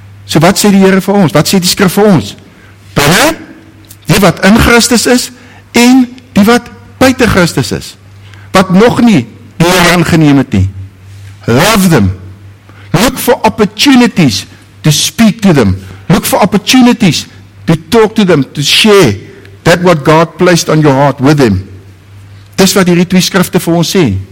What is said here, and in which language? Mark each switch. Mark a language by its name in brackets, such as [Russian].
[Afrikaans] So wat sê die Here vir ons? Wat sê die skrif vir ons? Binne, die wat in Christus is, en die wat buite Christus is, wat nog nie die Here aangeneem het nie. [English] Love them. Look for opportunities to speak to them. Look for opportunities to talk to them, to share that what God placed on your heart with them. [Afrikaans] Dis wat hierdie twee skrifte vir ons sê.